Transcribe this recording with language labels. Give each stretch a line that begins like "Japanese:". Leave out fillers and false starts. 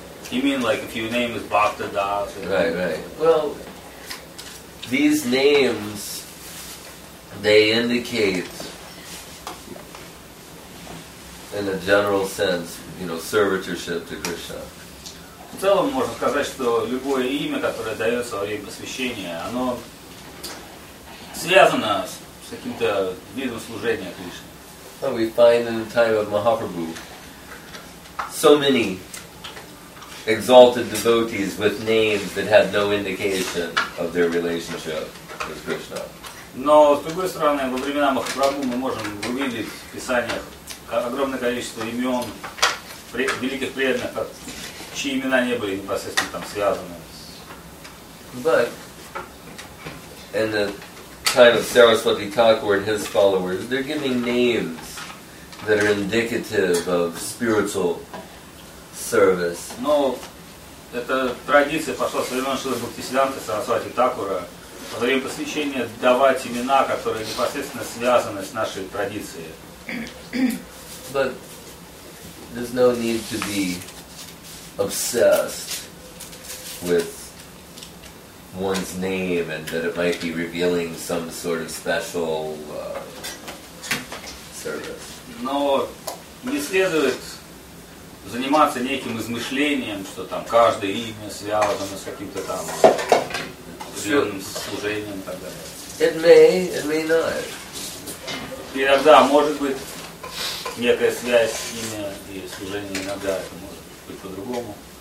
English: You mean like if your name is Bhakta Das? Right, right. Well, these names, they indicate, in a general sense, you know, servitorship to Krishna.
Russian: В целом можно сказать, что любое имя, которое дается во время посвящения, оно связано с каким-то видом служения Кришне.
English: Well, we find in the time of Mahaprabhu so many exalted devotees with names that had no indication of their relationship with Krishna.
Russian: Но с другой стороны, во времена Махапрабху мы можем увидеть в писаниях огромное количество имен великих преданных, чьи имена не были непосредственно там связаны.
English: But in the time of Saraswati Thakur and his followers, they're giving names that are indicative of spiritual service.
Russian: Но эта традиция пошла со времен Шрилы Бхактисиддханты Сарасвати Такура во время посвящения давать имена, которые непосредственно связаны с нашей традицией.
English: But there's no need to be obsessed with one's name and that it might be revealing some sort of special service.
Russian: Но не следует заниматься неким измышлением, что там каждое имя связано с каким-то там определенным служением и так далее.
English: It may not.
Russian: Иногда может быть некая связь с имя и служением, иногда это может быть по-другому.